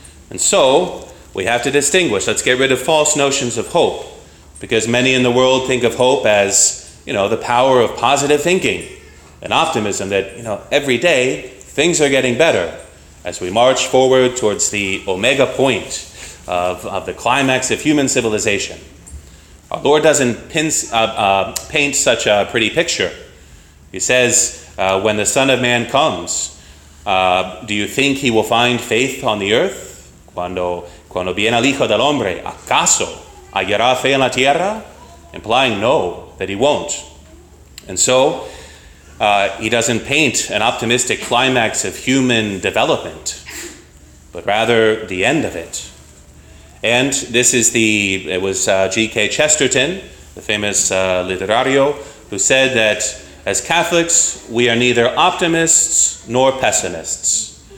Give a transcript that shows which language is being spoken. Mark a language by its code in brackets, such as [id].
[en] And so, we have to distinguish. Let's get rid of false notions of hope, because many in the world think of hope as, you know, the power of positive thinking and optimism that, you know, every day things are getting better as we march forward towards the omega point of the climax of human civilization. Our Lord doesn't paint such a pretty picture. He says, when the Son of Man comes, do you think he will find faith on the earth? [es] Cuando viene el Hijo del Hombre, ¿acaso hallará fe en la tierra? [en] Implying no, that he won't. And so, he doesn't paint an optimistic climax of human development, but rather the end of it. And this is it was G.K. Chesterton, the famous literario, who said that as Catholics, we are neither optimists nor pessimists.